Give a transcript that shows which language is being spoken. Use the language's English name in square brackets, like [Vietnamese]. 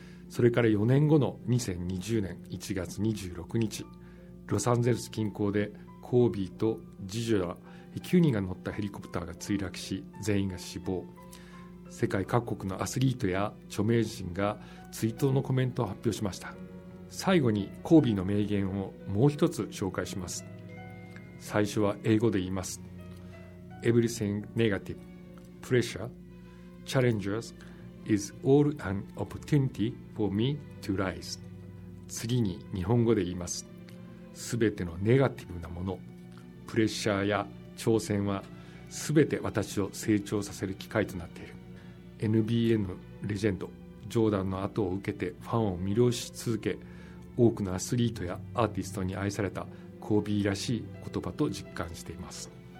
[Japanese] それから4年後の2020年1月26日ロサンゼルス近郊でコービーと次女ら9人が乗ったヘリコプターが墜落し全員が死亡。世界各国のアスリートや著名人が追悼のコメントを発表しました。最後にコービーの名言をもう一つ紹介します。最初は英語で言います。 [English] Everything negative, pressure, challenges is all an opportunity for me to rise. [Japanese] 次に日本語で言います。すべてのネガティブなもの、プレッシャーや挑戦はすべて私を成長させる機会となっている。 NBA のレジェンド、ジョーダンの後を受けてファンを魅了し続け、多くのアスリートやアーティストに愛されたコービーらしい言葉と実感しています。